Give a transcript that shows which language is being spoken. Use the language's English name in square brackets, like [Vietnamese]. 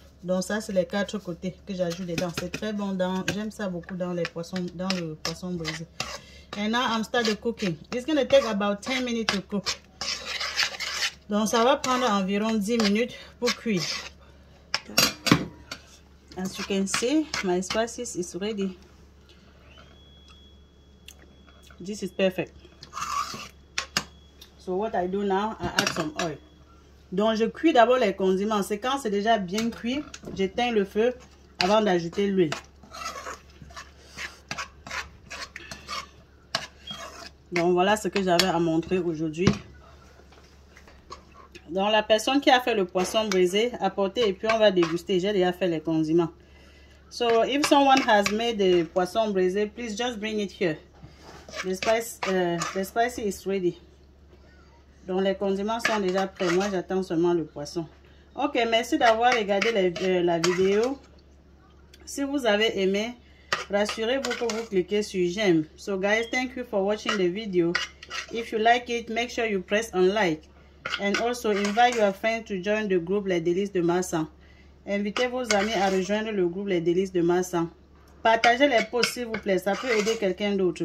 [French] Donc ça, c'est les quatre côtés que j'ajoute dedans. C'est très bon dans... J'aime ça beaucoup dans les poissons, dans le poisson braisé. [English] And now I'm start the cooking. It's going to take about 10 minutes to cook. [French] Donc ça va prendre environ 10 minutes pour cuire. [English] As you can see, my spices is ready. This is perfect. So what I do now, I add some oil. [French] Donc je cuis d'abord les condiments. C'est quand c'est déjà bien cuit, j'éteins le feu avant d'ajouter l'huile. Donc voilà ce que j'avais à montrer aujourd'hui. Donc la personne qui a fait le poisson braisé, apportez et puis on va déguster. J'ai déjà fait les condiments. [English] So, if someone has made the poisson braisé, please just bring it here. The spicy is ready. [French] Donc, les condiments sont déjà prêts. Moi, j'attends seulement le poisson. Ok, merci d'avoir regardé la vidéo. Si vous avez aimé, rassurez-vous que vous cliquez sur j'aime. [English] So, guys, thank you for watching the video. If you like it, make sure you press on like. And also, invite your friends to join the group Les Délices de Massan. [French] Invitez vos amis à rejoindre le groupe Les Délices de Massan. Partagez les posts s'il vous plaît, ça peut aider quelqu'un d'autre.